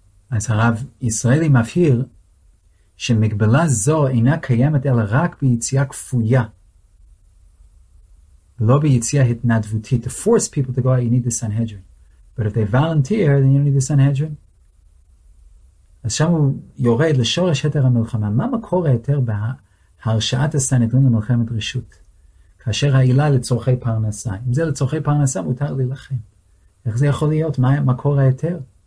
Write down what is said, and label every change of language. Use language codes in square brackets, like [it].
[he] As Harav Yisraeli mafhir, שמגבלה זו אינה קיימת אלא רק ביציאה כפויה, לא ביציאה התנדבותית. [en] To force people to go out, you need the Sanhedrin. But if they volunteer, then you don't need the Sanhedrin. [he] אז שם הוא יורד לשורש היתר המלחמה. מה מקור היתר בהרשאת הסנהדרין למלחמת רשות? כאשר העילה לצורכי פרנסה. אם זה לצורכי פרנסה, מותר להילחם. איך זה יכול להיות? מה מקור היתר?